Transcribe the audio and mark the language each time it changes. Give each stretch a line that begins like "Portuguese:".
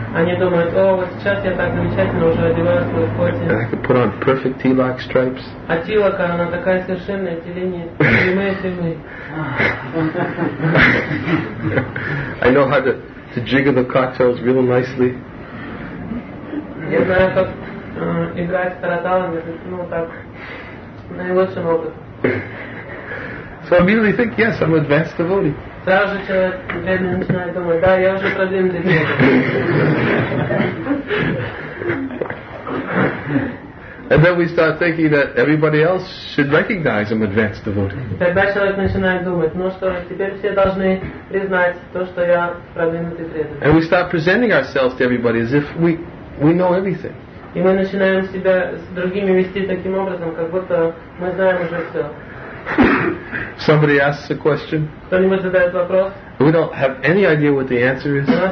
Russian: Они думают, о, вот сейчас я так замечательно уже одеваю свою коти.
English: And I can put on perfect tilak stripes.
Russian: А тилака, она такая совершенная, эти линии прямые.
English: I know how to jiggle the cocktails real nicely.
Russian: Я знаю, как играть с тараталами, ну так, наилучшим образом.
English: So I immediately think, yes, I'm advanced devotee.
Russian: Сразу же человек бедный начинает думать, да, я уже продвинутый преданный.
English: And then we start thinking that everybody else should recognize I'm advanced devotee.
Russian: Тогда человек начинает думать, ну что, теперь все должны признать то, что я продвинутый преданный.
English: And we start presenting ourselves to everybody as if we know everything.
Russian: И мы начинаем себя с другими вести таким образом, как будто мы знаем уже все.
English: Somebody asks a question. We don't have any idea what the answer is.